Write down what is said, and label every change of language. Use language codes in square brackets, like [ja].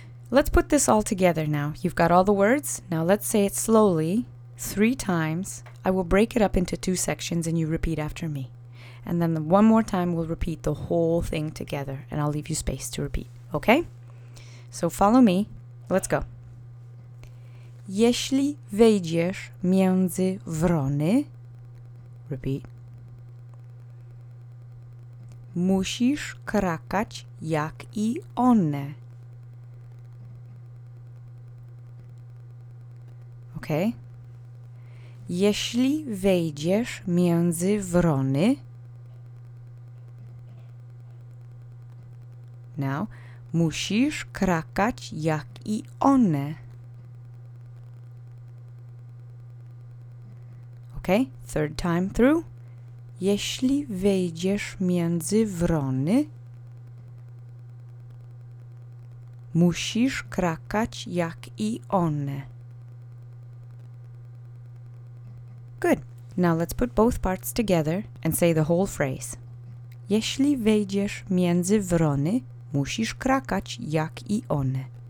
[en] Let's put this all together now. You've got all the words. Now let's say it slowly, three times. I will break it up into two sections and you repeat after me. And then one more time we'll repeat the whole thing together and I'll leave you space to repeat, okay? So follow me. Let's go. [pl] Jeśli wejdziesz między wrony, [en] repeat, [pl] musisz krakać jak I one. [en] Okay. [pl] Jeśli wejdziesz między wrony. [en] Now, [pl] musisz krakać jak I one. [en] Okay, third time through. [pl] Jeśli wejdziesz między wrony, musisz krakać jak I one. [en] Good. Now let's put both parts together and say the whole phrase. [pl] Jeśli wejdziesz między wrony, musisz krakać jak I one.